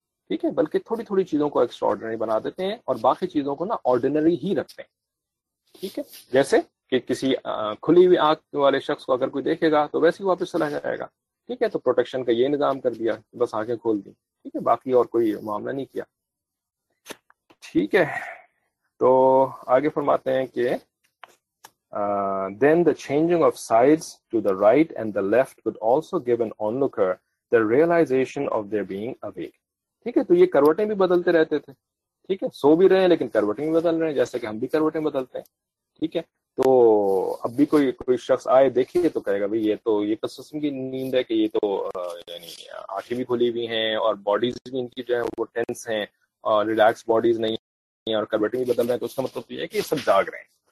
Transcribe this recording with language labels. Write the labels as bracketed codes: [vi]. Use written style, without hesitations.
[ur] ٹھیک ہے, بلکہ تھوڑی تھوڑی چیزوں کو ایکسٹرا آرڈینری بنا دیتے ہیں اور باقی چیزوں کو نا آرڈینری ہی رکھتے ہیں. ٹھیک ہے, جیسے کہ کسی کھلی ہوئی آنکھ والے شخص کو اگر کوئی دیکھے گا تو ویسے ہی واپس چلا جائے گا. ٹھیک ہے, تو پروٹیکشن کا یہ نظام کر دیا, بس آنکھیں کھول دی. ٹھیک ہے, باقی اور کوئی معاملہ نہیں کیا. ٹھیک ہے, تو آگے فرماتے ہیں کہ [en] Then the changing of sides to the right and the left would also give an onlooker the realization of their being awake. [ur] ٹھیک ہے, تو یہ کروٹیں بھی بدلتے رہتے تھے. ٹھیک ہے, سو بھی رہے ہیں لیکن کروٹیں بھی بدل رہے ہیں, جیسے کہ ہم بھی کروٹیں بدلتے ہیں. ٹھیک ہے, تو اب بھی کوئی شخص آئے دیکھیے تو کہے گا بھائی یہ تو یہ کس قسم کی نیند ہے کہ یہ تو یعنی آنکھیں بھی کھلی ہوئی ہیں اور باڈیز بھی ان کی جو ہے وہ ٹینس ہیں اور ریلیکس باڈیز نہیں ہیں اور کروٹیں بھی بدل رہے ہیں, تو اس کا مطلب یہ ہے کہ یہ سب جاگ رہے ہیں.